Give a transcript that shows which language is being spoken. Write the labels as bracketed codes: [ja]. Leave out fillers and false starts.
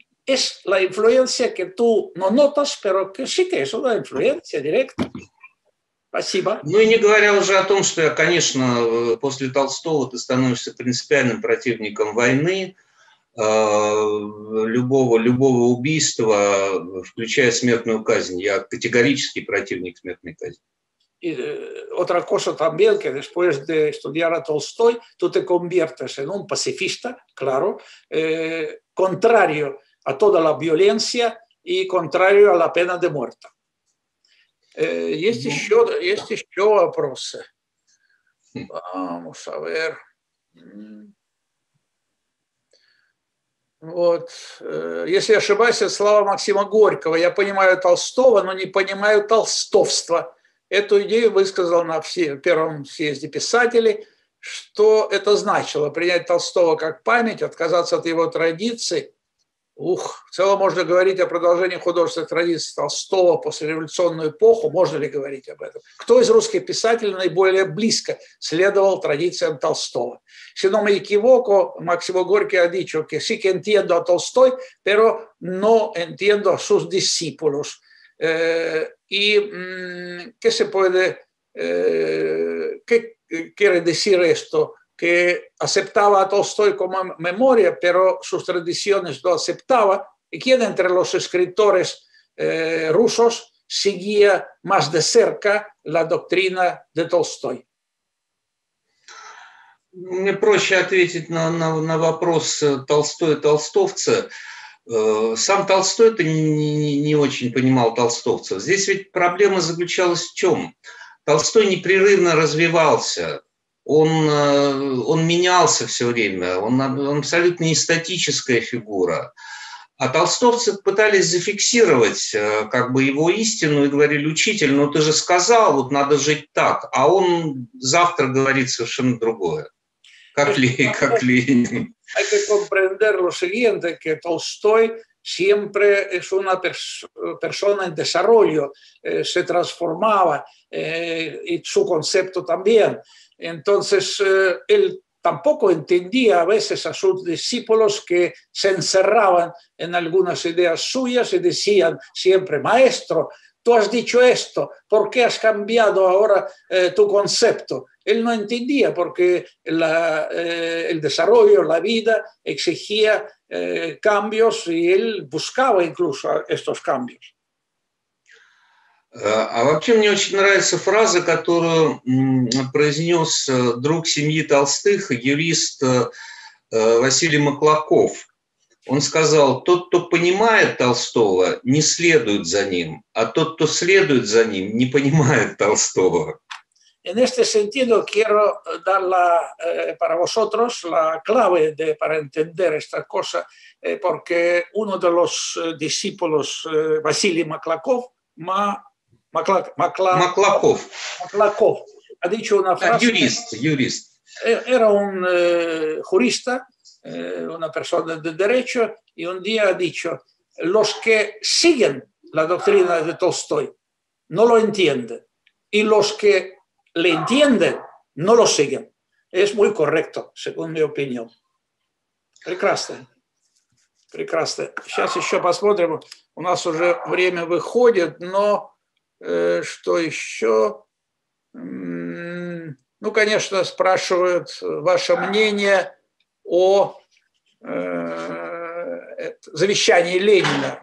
[es] Es la influencia que tú no notas, pero que sí que es una influencia directa. [ru] Спасибо. Ну и не говоря уже о том, что я, конечно, после Толстого ты становишься принципиальным противником войны, любого убийства, включая смертную казнь. Я категорический противник смертной казни. [es] И otra cosa también, que después de estudiar a Tolstoy, tú te conviertes en un pacifista, claro, contrario a toda la violencia y contrario a la pena de muerte. [ru] Есть еще вопросы. [es] Vamos a ver. [ru] Вот. Если я ошибаюсь, это слова Максима Горького. Я понимаю Толстого, но не понимаю толстовства. Эту идею высказал на первом съезде писателей. Что это значило? Принять Толстого как память, отказаться от его традиций? Ух, в целом можно говорить о продолжении художественной традиции Толстого после революционную эпоху, можно ли говорить об этом? Кто из русских писателей наиболее близко следовал традициям Толстого? [es] Si no me equivoco, Máximo Gorki ha dicho que sí que entiendo a Tolstoy, pero no entiendo a sus discípulos. Y qué se puede, qué quiere decir esto? Que aceptaba a Tolstoy como memoria, pero sus tradiciones no aceptaba. ¿Y quién entre los escritores rusos seguía más de cerca la doctrina de Tolstoy? [ru] Мне проще ответить на вопрос Толстой-толстовца. Сам Толстой-то не очень понимал толстовцев. Здесь ведь проблема заключалась в чем? Толстой непрерывно развивался. Он менялся все время, он абсолютно не статическая фигура. А толстовцы пытались зафиксировать как бы его истину и говорили: «Учитель, ну ты же сказал, вот надо жить так», а он завтра говорит совершенно другое, как Ленин. [es] Hay que comprender lo siguiente, que Толстой siempre es una persona en desarrollo, se transformaba, y su concepto también. Entonces, él tampoco entendía a veces a sus discípulos que se encerraban en algunas ideas suyas y decían siempre: «Maestro, tú has dicho esto, ¿por qué has cambiado ahora tu concepto?». Él no entendía porque el desarrollo, la vida exigía cambios y él buscaba incluso estos cambios. [ru] А вообще мне очень нравится фраза, которую произнес друг семьи Толстых, юрист Василий Маклаков. Он сказал: «Тот, кто понимает Толстого, не следует за ним, а тот, кто следует за ним, не понимает Толстого». [es] En este sentido quiero dar para vosotros la clave para entender esta cosa, porque uno de los discípulos Василий Маклаков, Маклаков. Маклаков. Ha dicho una frase. [ru] Юрист. [es] Era un jurista, una persona de derecho, y un día ha dicho: los que siguen la doctrina de Tolstoy no lo entienden, y los que le entienden no lo siguen. Es muy correcto, según mi opinión. [ru] Прекрасно. Сейчас еще посмотрим. У нас уже время выходит, но что еще? Ну, конечно, спрашивают ваше мнение о завещании Ленина.